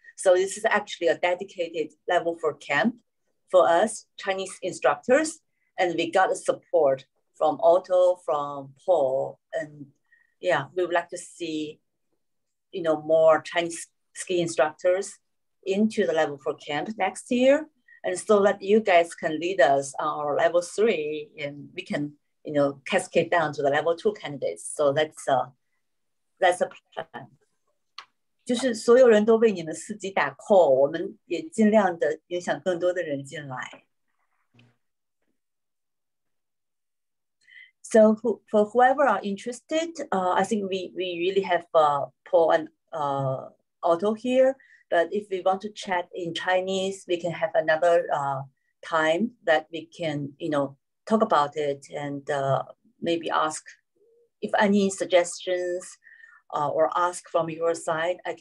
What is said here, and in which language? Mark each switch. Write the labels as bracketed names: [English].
[English] So this is actually a dedicated level for camp for us Chinese instructors, and we got the support from Otto, from Paul, and we would like to see, more Chinese ski instructors into the level 4 camp next year. And so that you guys can lead us on our level 3 and we can, cascade down to the level 2 candidates. So that's a plan. [Chinese] 就是所有人都为你们四级打 call, 我们也尽量的影响更多的人进来。 [English] So for whoever are interested, I think we really have Paul and Otto here. But if we want to chat in Chinese, we can have another time that we can, you know, talk about it and maybe ask if any suggestions or ask from your side.